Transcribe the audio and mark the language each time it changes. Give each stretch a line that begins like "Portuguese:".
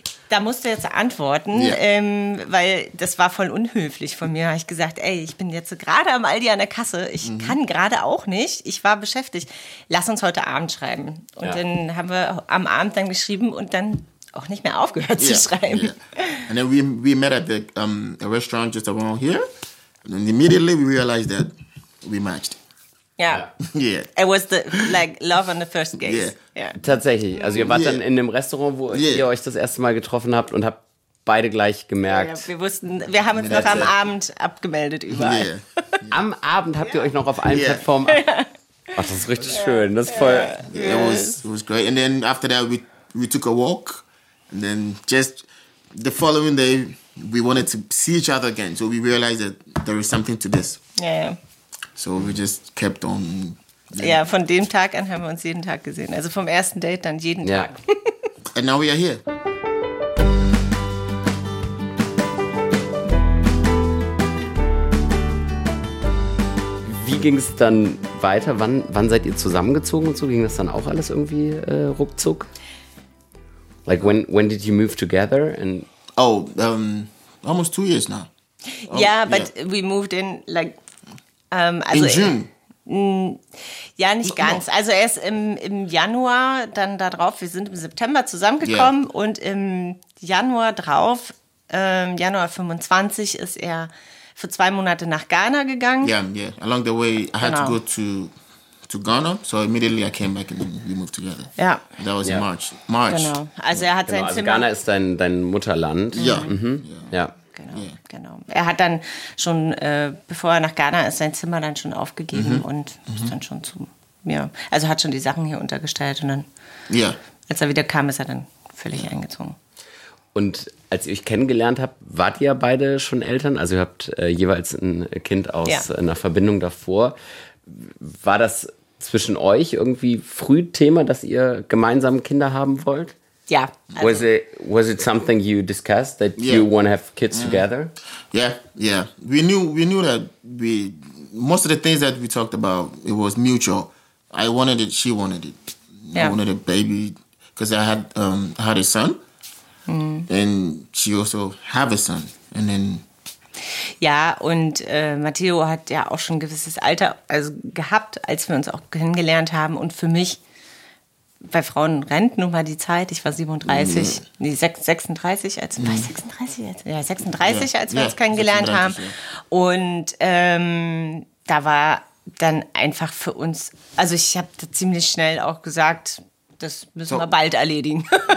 German: Da musst du jetzt antworten, ja. Weil das war voll unhöflich von mir. Da habe ich gesagt, ey, ich bin jetzt gerade am Aldi an der Kasse. Ich kann gerade auch nicht. Ich war beschäftigt. Lass uns heute Abend schreiben. Und dann haben wir am Abend dann geschrieben und dann auch nicht mehr aufgehört zu schreiben.
English: Yeah. And then we met at the a restaurant just around here. And immediately we realized that we matched. Yeah. It was the like love on the first gaze. Yeah.
German: Tatsächlich. Also ihr wart dann in dem Restaurant, wo ihr euch das erste Mal getroffen habt und habt beide gleich gemerkt. Ja, wir wussten, wir haben uns noch am Abend abgemeldet überall. Yeah. Am Abend habt ihr euch noch auf allen Plattformen. Ach, das ist richtig schön. Das ist voll.
English: Yeah. It was great. And then after that we took a walk. And then just the following day we wanted to see each other again. So we realized that there is something to this. Yeah. So we just kept on.
German: Ja, von dem Tag an haben wir uns jeden Tag gesehen. Also vom ersten Date dann jeden Tag.
English: And now we are here.
German: Wie ging es dann weiter? Wann seid ihr zusammengezogen und so? Ging das dann auch alles irgendwie ruckzuck?
English: Like when did you move together? And oh, almost 2 years now. Yeah, but we moved in like.
German: Also
English: in June?
German: Nicht ganz. Also erst im Januar dann da drauf. Wir sind im September zusammengekommen und im Januar drauf, Januar 25, ist er für 2 Monate nach Ghana gegangen.
English: Yeah. Along the way, I had to go to Ghana. So immediately I came back and we moved together. Yeah. That was in March. March.
German: Genau. Also er hat sein Zimmer. Also Ghana ist dein Mutterland. Ja. Ja. Genau. Er hat dann schon, bevor er nach Ghana ist, sein Zimmer dann schon aufgegeben und ist dann schon zu mir. Also hat schon die Sachen hier untergestellt und dann, als er wieder kam, ist er dann völlig eingezogen. Und als ihr euch kennengelernt habt, wart ihr beide schon Eltern? Also ihr habt jeweils ein Kind aus einer Verbindung davor. War das zwischen euch irgendwie früh Thema, dass ihr gemeinsam Kinder haben wollt?
English: Yeah.
German: Also.
English: Was it something you discussed that you want to have kids together? Yeah. We knew that we most of the things that we talked about, it was mutual. I wanted it. She wanted it. Yeah. I wanted a baby because I had a son, and she also have a son, and then.
German: Ja, und Matteo hat ja auch schon ein gewisses Alter also gehabt, als wir uns auch kennengelernt haben, und für mich. Bei Frauen rennt nun mal die Zeit. Ich war 37, 36, als war 36 jetzt. Ja, 36, als wir uns kennengelernt haben. Und da war dann einfach für uns, also ich habe da ziemlich schnell auch gesagt, das müssen wir bald erledigen.